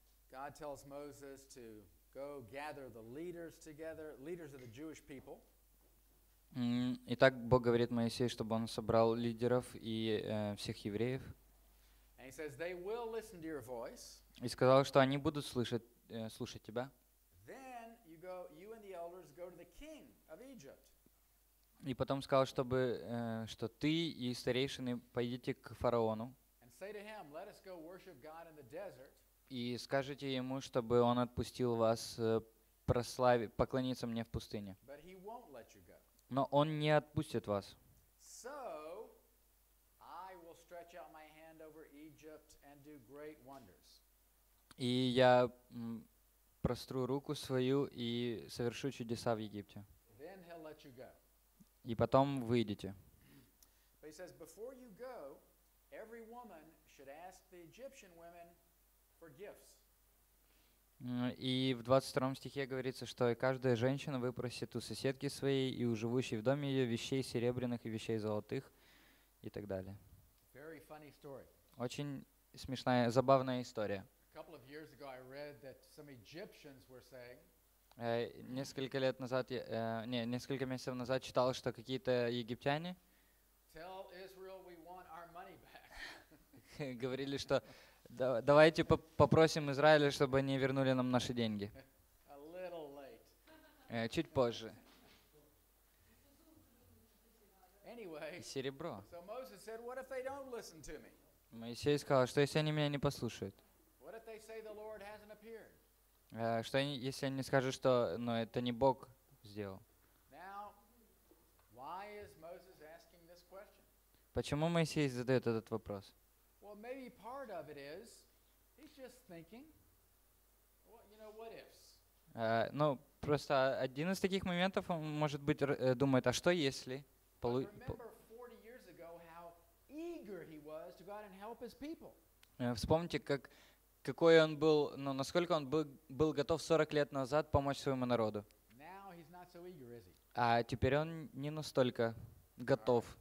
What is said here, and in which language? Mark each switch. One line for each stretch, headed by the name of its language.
English: God tells Moses to go gather the leaders together, leaders of the Jewish people.
Russian: Итак, Бог говорит Моисею, чтобы он собрал лидеров и всех евреев.
English: And he says they will listen to your voice.
Russian: И сказал, что они будут слушать тебя.
English: Then you go, you and the elders go to the king of Egypt.
Russian: И потом сказал, чтобы что ты и старейшины пойдите к фараону.
English: And say to him, let us go worship God in the desert.
Russian: И скажите ему, чтобы он отпустил вас поклониться мне в пустыне.
English: But he won't let you go.
Russian: Но он не отпустит вас.
English: So I will stretch out my hand over Egypt and do great wonders.
Russian: И я простру руку свою и совершу чудеса в Египте.
English: Then he'll let you go.
Russian: И потом выйдете.
English: But he says, before you go, every woman should ask the Egyptian women for gifts.
Russian: И в 22 стихе говорится, что каждая женщина выпросит у соседки своей и у живущей в доме ее вещей серебряных и вещей золотых и так далее.
English: Very funny story.
Russian: Очень смешная, забавная история.
English: A couple of years ago I read that some Egyptians were saying,
Russian: несколько месяцев назад читал, что какие-то египтяне
English: Tell Israel we want our money back.
Russian: говорили, что давайте попросим Израиля, чтобы они вернули нам наши деньги.
English: A little late.
Russian: Чуть позже.
English: Anyway,
Russian: серебро.
English: So Moses said, what if they don't listen to me?
Russian: Моисей сказал, что если они меня не послушают?
English: What if they say the Lord hasn't appeared?
Russian: Что если они скажут, что но это не Бог сделал?
English: Now, why is Moses asking this question?
Russian: Почему Моисей задает этот вопрос?
English: Well, maybe part of it is he's just thinking, well, you know, what ifs.
Russian: Ну, просто один из таких моментов, он, может быть, думает, а что если?
English: Remember 40 years ago how eager he was to go out and help his people.
Russian: Вспомните, как какой он был, ну, насколько он был готов 40 лет назад помочь своему народу.
English: Now he's not so eager, is he?
Russian: А теперь он не настолько готов.